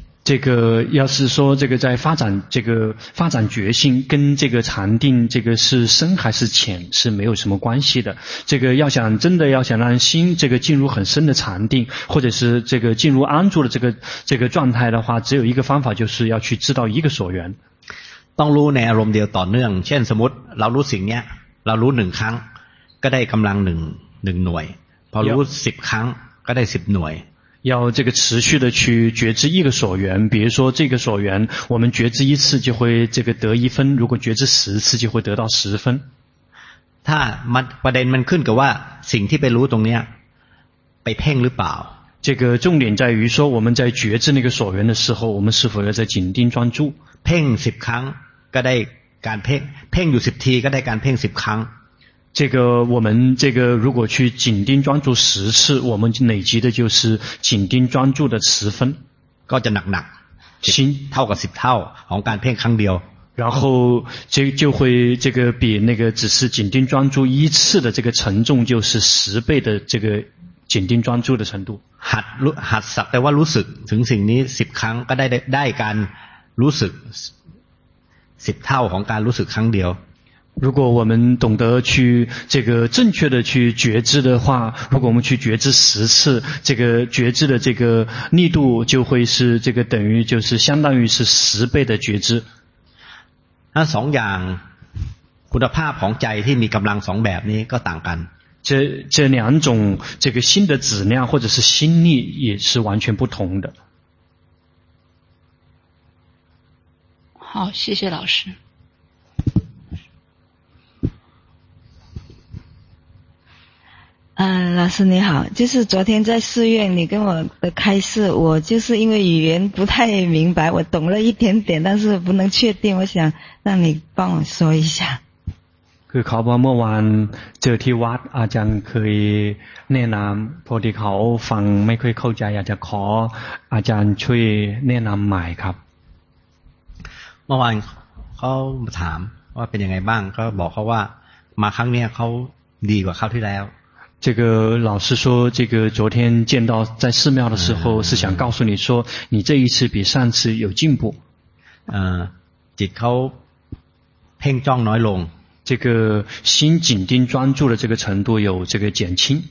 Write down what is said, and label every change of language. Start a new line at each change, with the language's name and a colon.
Chinese: 这个要是说这个在发展这个发展觉性跟这个禅定这个是深还是浅是没有什么关系的这个要想真的要想让心这个进入很深的禅定或者是这个进入安住的这个状态的话只有一个方法就是要去知道一个所缘
Thai: ต้องรู้ในอารมณ์เดียวต่อเนื่องเช่นสมมติเรารู้สิ่งเนี้ยเรารู้หนึ่งครั้งก็ได้กำลังหนึ่งหน่วยพอรู้สิบครั้งก็ได้สิบหน่วย
Chinese: 要这个持续的去觉知一个所缘比如说这个所缘我们觉知一次就会这个得一分如果觉知十次就会得到十分
Thai: ถ้ามันประเด็นมันขึ้นกับว่าสิ่งที่ไปรู้ตรงเนี้ยไปเพ่งหรือเปล่า
Chinese: 这个重点在于说我们在觉知那个所缘的时候我们是否要在紧盯专注
Thai: เพ่งสิบครั้งก็ได้การเพ่งอยู่10ทีก็ได้การเพ่ง10ครั้ง
Chinese: 这个我们这个如果去紧盯专注10次我们累积的就是紧盯专注的10分
Thai: ก็จะหนัก
Chinese: 心
Thai: เท่ากับ10เท่าของการเพ่งครั้งเดียว
Chinese: 然后就会这个比那个只是紧盯专注一次的这个沉重就是10倍的这个紧盯专注的程度
Thai: หัดสักแต่ว่ารู้สึกถึงสิ่งนี้10ครั้งก็ได้การรู้สึกสิบเท่าของการรู้สึกครั้งเดียว
Chinese: 如果我们懂得去这个正确的去觉知的话如果我们去觉知十次这个觉知的这个力度就会是这个等于就是相当于是十倍的觉知
Thai: 那สองอย่างคุณภาพของใจที่มีกำลังสองแบบนี้ก็ต่างกัน
Chinese: 这两种这个心的质量或者是心力也是完全不同的。好，谢谢老师。嗯，老师你好，就是昨天在寺院你跟我的开示，我就是因为语言不太明白，我懂了一点点，但是不能确定，我想让你帮我说一下。
Thai: คือเขาเมื่อวานเจอที่วัดอาจารย์เคยแนะนำพอดีเขาฟังไม่ค่อยเข้าใจอยากจะขออาจารย์ช่วยแนะนำใหม่ครับ เมื่อวานเขาถามว่าเป็นยังไงบ้างก็บอกเขาว่ามาครั้งนี้เขาดีกว่าคราวที่แล้ว
Chinese: 这个老师说这个昨天见到在寺庙的时候是想告诉你说你这一次比上次有进步
Thai: จิตเขาเพ่งจ้องน้อยลง
Chinese: 这个心紧盯专注的这个程度有这个减轻